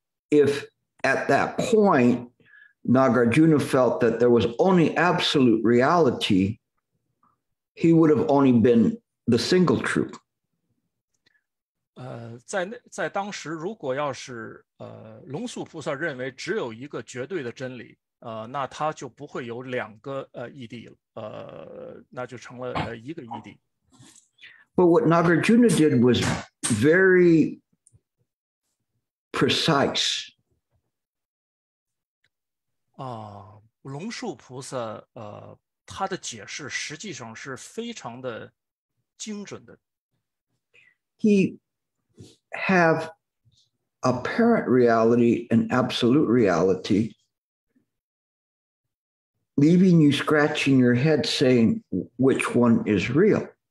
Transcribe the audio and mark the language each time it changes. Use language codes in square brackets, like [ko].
[en] If at that point Nagarjuna felt that there was only absolute reality, he would have only been the single truth. [zh] 在当时如果要是龙树菩萨认为只有一个绝对的真理，那他就不会有两个义谛了，那就成了一个义谛。 [en] But what Nagarjuna did was very precise. [zh] 龙树菩萨他的解释实际上是非常的精准的。 [en] He have apparent reality and absolute reality, leaving you scratching your head saying which one is real.